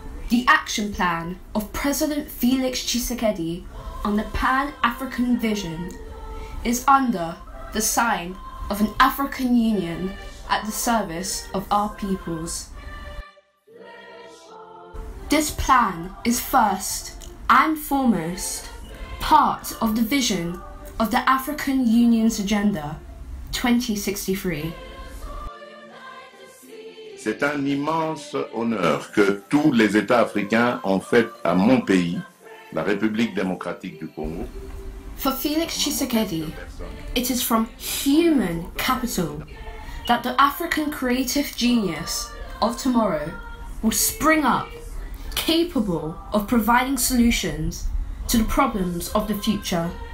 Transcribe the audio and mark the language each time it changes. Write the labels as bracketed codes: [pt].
[en] The action plan of President Felix Tshisekedi on the Pan-African vision is under the sign of an African Union at the service of our peoples. This plan is first and foremost part of the vision of the African Union's Agenda 2063. So [fr] C'est un immense honneur que tous les États africains ont fait à mon pays, la République démocratique du Congo. [en] For Felix Tshisekedi, it is from human capital that the African creative genius of tomorrow will spring up, capable of providing solutions to the problems of the future.